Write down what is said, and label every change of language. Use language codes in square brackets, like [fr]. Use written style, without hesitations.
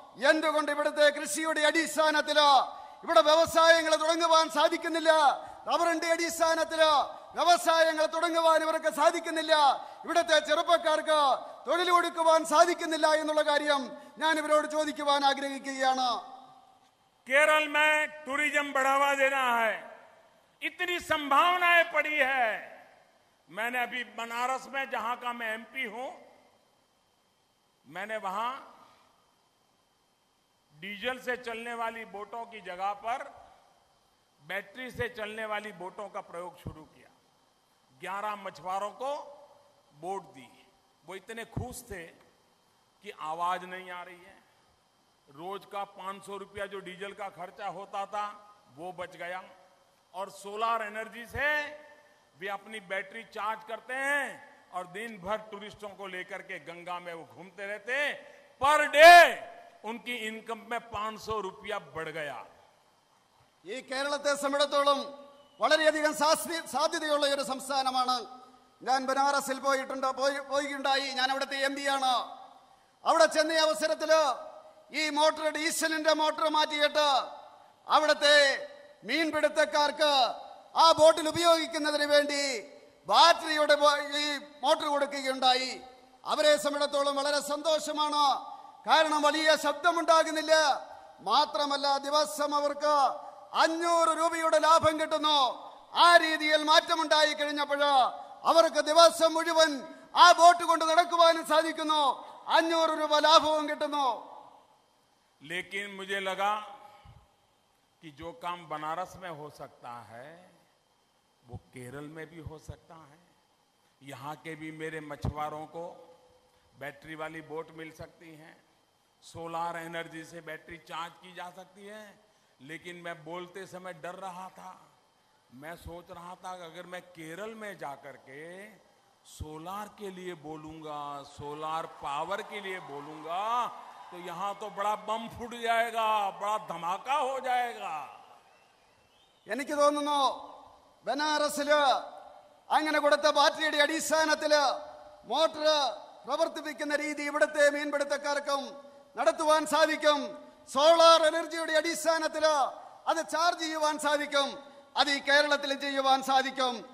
[ml] എന്തുകൊണ്ട് ഇവിടുത്തെ കൃഷിയുടെ അടിസ്ഥാനത്തില് ഇവിടെ വ്യവസായങ്ങൾ തുടങ്ങുവാൻ സാധിക്കുന്നില്ല? റബ്ബറിന്റെ അടിസ്ഥാനത്തില് വ്യവസായങ്ങൾ തുടങ്ങുവാൻ ഇവർക്ക് സാധിക്കുന്നില്ല. ഇവിടുത്തെ ചെറുപ്പക്കാർക്ക് തൊഴിൽ കൊടുക്കുവാൻ സാധിക്കുന്നില്ല എന്നുള്ള കാര്യം ഞാൻ ഇവരോട് ചോദിക്കുവാൻ ആഗ്രഹിക്കുകയാണ്. [hi] केरल में टूरिज्म बढ़ावा देना है, इतनी संभावनाएं पड़ी है. मैंने अभी बनारस में, जहां का मैं एमपी हूं, मैंने वहां डीजल से चलने वाली बोटों की जगह पर बैटरी से चलने वाली बोटों का प्रयोग शुरू किया. 11 मछुआरों को बोट दी. वो इतने खुश थे कि आवाज नहीं आ रही है, रोज का 500 रुपया जो डीजल का खर्चा होता था वो बच गया, और सोलार एनर्जी से भी अपनी बैटरी चार्ज करते हैं और दिन भर टूरिस्टों को लेकर के गंगा में वो घूमते रहते हैं. पर डे उनकी इनकम में 500 रुपया बढ़ गया. ये केरल के [ml] സംബന്ധിച്ചോളം വളരെ അധികം സാധ്യതയുള്ള ഒരു സംസ്ഥാനമാണ്. ഞാൻ ബനാറസിൽ പോയിട്ടുണ്ട്, പോയിണ്ടായി. ഞാൻ അവിടത്തെ എംപി ആണ്. അവിടെ ചെന്ന അവസരത്തില് ഈ മോട്ടോർ ഡീസലിന്റെ മോട്ടോർ മാറ്റിയിട്ട് അവിടുത്തെ മീൻപിടുത്തക്കാർക്ക് ആ ബോട്ടിൽ ഉപയോഗിക്കുന്നതിന് വേണ്ടി ബാറ്ററിയുടെ ഈ മോട്ടോർ കൊടുക്കുകയുണ്ടായി. അവരെ സംബന്ധിച്ചിടത്തോളം വളരെ സന്തോഷമാണ്, കാരണം വലിയ ശബ്ദമുണ്ടാകുന്നില്ല. മാത്രമല്ല ദിവസം അവർക്ക് 500 രൂപയുടെ ലാഭം കിട്ടുന്നു. ആ രീതിയിൽ മാറ്റമുണ്ടായി കഴിഞ്ഞപ്പോൾ അവർക്ക് ദിവസം മുഴുവൻ ആ ബോട്ട് കൊണ്ട് നടക്കുവാനും സാധിക്കുന്നു, 500 രൂപ ലാഭവും കിട്ടുന്നു. [hi] लेकिन मुझे लगा कि जो काम बनारस में हो सकता है वो केरल में भी हो सकता है. यहाँ के भी मेरे मछुआरों को बैटरी वाली बोट मिल सकती है, सोलार एनर्जी से बैटरी चार्ज की जा सकती है. लेकिन मैं बोलते समय डर रहा था, मैं सोच रहा था कि अगर मैं केरल में जाकर के सोलार के लिए बोलूंगा, सोलार पावर के लिए बोलूंगा, तो यहां तो बड़ा बम फूट जाएगा, बड़ा धमाका हो जाएगा। [ml] എനിക്ക് തോന്നുന്നു ബനാറസില് അങ്ങനെ കൊടുത്ത ബാറ്ററിയുടെ അടിസ്ഥാനത്തില് മോട്ടർ പ്രവർത്തിപ്പിക്കുന്ന രീതി ഇവിടുത്തെ മീൻപിടുത്തക്കാർക്കും നടത്തുവാൻ സാധിക്കും. സോളാർ എനർജിയുടെ അടിസ്ഥാനത്തില് അത് ചാർജ് ചെയ്യുവാൻ സാധിക്കും, അത് ഈ കേരളത്തിൽ ചെയ്യുവാൻ സാധിക്കും.